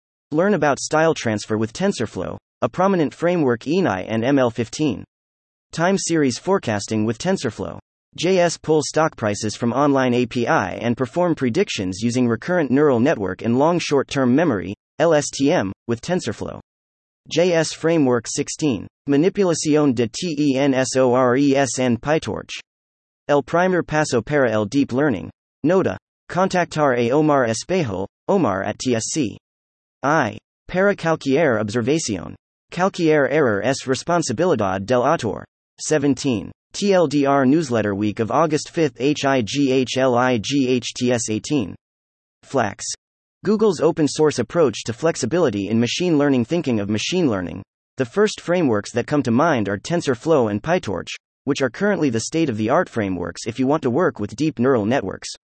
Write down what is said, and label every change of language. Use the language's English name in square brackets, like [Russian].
[English] Learn about style transfer with TensorFlow, a prominent framework ENI and ML15. Time series forecasting with TensorFlow. JS pull stock prices from online API and perform predictions using recurrent neural network and long short-term memory, LSTM, with TensorFlow. JS framework 16. [Spanish] Manipulación de Tensores en PyTorch. El primer paso para el deep learning. Nota. Contactar a Omar Espejol, Omar at TSC. I. Para cualquier observación. Calquier error es responsabilidad del autor. 17. [English] TLDR Newsletter Week of August 5th. HIGHLIGHTS 18. Flax. Google's open source approach to flexibility in machine learning. Thinking of machine learning, the first frameworks that come to mind are TensorFlow and PyTorch, which are currently the state-of-the-art frameworks if you want to work with deep neural networks.